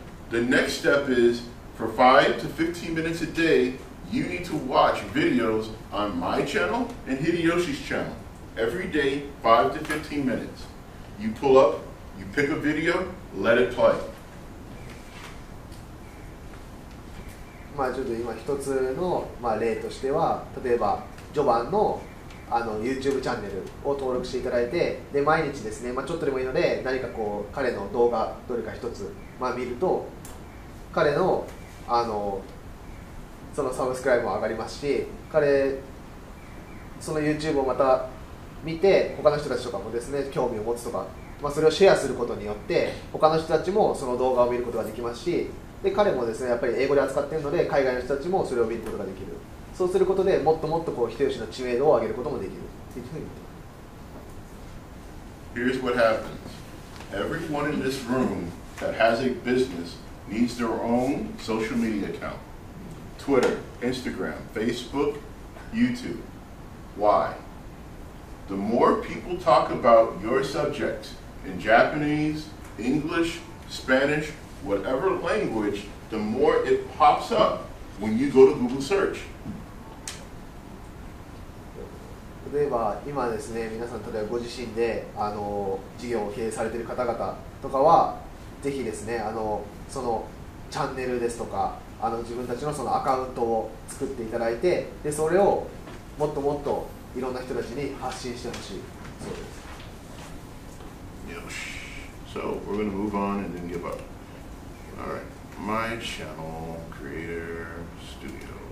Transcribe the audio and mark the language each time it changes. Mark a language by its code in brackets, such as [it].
[en] The next step is for 5 to 15 minutes a day, you need to watch videos on my channel and Hideyoshi's channel. Every day, 5 to 15 minutes. You pull up, you pick a video, let it play. [ja] まあ、ちょっと今一つの例としては、例えば序盤 の, YouTube チャンネルを登録していただいて、で毎日ですね、まあ、ちょっとでもいいので何かこう彼の動画どれか一つ、まあ、見ると彼 の, そのサブスクライブも上がりますし、彼その YouTube をまた見て他の人たちとかもですね興味を持つとか、まあ、それをシェアすることによって他の人たちもその動画を見ることができますし、で彼もですね、やっぱり英語で扱っているので海外の人たちもそれを見ることができる。そうすることでもっともっとこう人吉の知名度を上げることもできるっていうふうに言ってます [en] 。 Here's what happens. Everyone in this room that has a business needs their own social media account. Twitter, Instagram, Facebook, YouTube. Why? The more people talk about your subject in Japanese, English, Spanish,whatever language, the more it pops up when you go to Google search. [ja] 例えば今ですね、皆さん例えばご自身で事業を経営されている方々とかは、ぜひですね、そのチャンネルですとか自分たちのそのアカウントを作っていただいて、でそれをもっともっといろんな人たちに発信してほしい。そうです。 [en] よし、 So we're going to move on and then give up. Alright, my channel, Creator Studios.